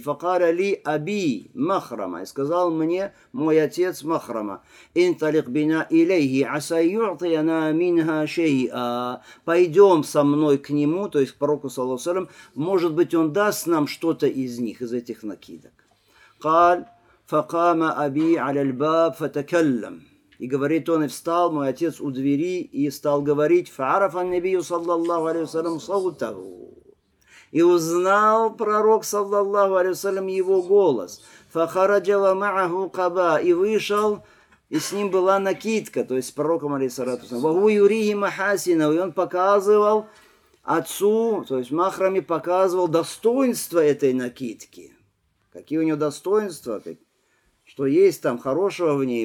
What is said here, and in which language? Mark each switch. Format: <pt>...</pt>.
<ar>Факара ли Аби Махрама,</ar> <ru>и сказал мне мой отец Махрама:</ru> <ar>инталик бина илейхи аса юртияна минха шейа,</ar> <ru>пойдем со мной к нему, то есть к пророку саллаллаху алейхи вассалям, может быть, он даст нам что-то из них, из этих накидок.</ru> <ar>Каль فقام ابي على الباب فتكلم,</ar> <ru>и говорит он, и встал мой отец у двери и стал говорить.</ru> <ar>فعرف النبي صلى الله عليه وسلم صوته,</ar> <ru>и узнал пророк</ru> <ar>صلى الله عليه وسلم</ar> <ru>его голос.</ru> <ar>فخرج ومعه قباء,</ar> <ru>и вышел, и с ним была накидка, то есть пророком алейхиссалату вассалям.</ru> <ar>وهو يريه محاسنه,</ar> <ru>и он показывал отцу, то есть махраме, показывал достоинства этой накидки, какие у него достоинства, что есть там хорошего в ней.</ru>